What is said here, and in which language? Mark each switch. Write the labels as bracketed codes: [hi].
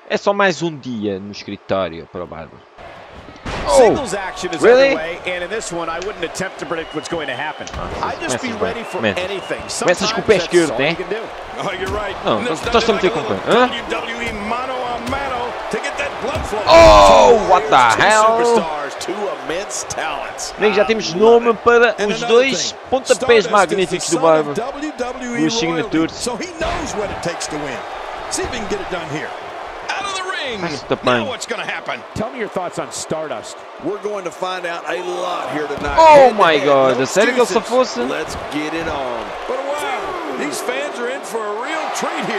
[pt] É só mais um dia no escritório para o Bárbaro. [en] Singles action is underway, and in this one, I wouldn't attempt to predict what's going to happen. I'd just be ready for anything. [pt] Começas com o pé esquerdo, né? [en] Oh, you're right. [pt] Estás a meter com o pé, hã? [en] WWE mano a mano to get that blood flow. Oh, what the hell? [pt] Nem já temos nome para os dois pontapés magníficos do Bárbaro. Os signatures. [en] So he knows what it takes to win. See if he can get it done here. Out of the ring. Now what's going to happen? Tell me your thoughts on Stardust. We're going to find out a lot here tonight. Oh my god, the Cerigos of Fosse. Let's get it on. But wow, these fans are in for a real treat here.